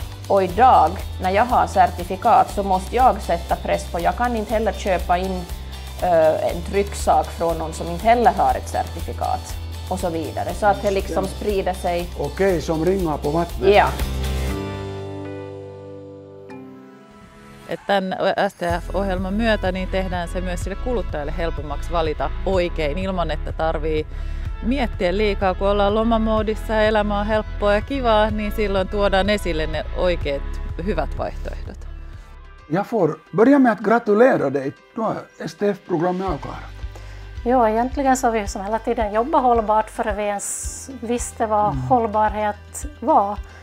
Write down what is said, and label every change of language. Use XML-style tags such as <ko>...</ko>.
<sv>Och idag när jag har certifikat så måste jag sätta press på. Jag kan inte heller köpa in en trycksak från någon som inte heller har ett certifikat och så vidare. Så att det liksom sprider sig. Okej, som ringar på vattnet. Ja.</sv> <fi>Että tämän STF-ohjelman myötä niin tehdään se myös sille kuluttajalle helpommaksi valita oikein ilman, että tarvii miettiä liikaa. Kun ollaan lomamoodissa ja elämä on helppoa ja kivaa, niin silloin tuodaan esille ne oikeat hyvät vaihtoehdot.</fi> <sv>Jag får börja med att gratulera dig. Du har STF-programmet avklarat. Joo, egentligen så har vi som hela tiden jobbat hållbart för att vi ens visste vad hållbarhet var.</sv>